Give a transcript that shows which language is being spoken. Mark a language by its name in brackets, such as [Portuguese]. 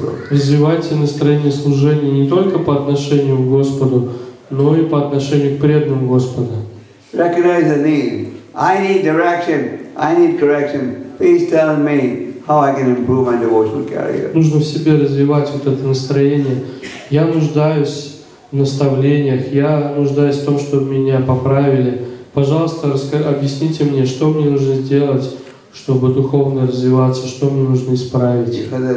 [Russian] Развивайте настроение служения не только по отношению к Господу, но и по отношению к преданным Господа. [English] Recognize the need. I need direction. I need correction. Please tell me how I can improve my devotional career. [Russian] Нужно в себе развивать вот это настроение. Я нуждаюсь в наставлениях. Я нуждаюсь в том, чтобы меня поправили. Пожалуйста, объясните мне, что мне нужно сделать, чтобы духовно развиваться, что мне нужно исправить.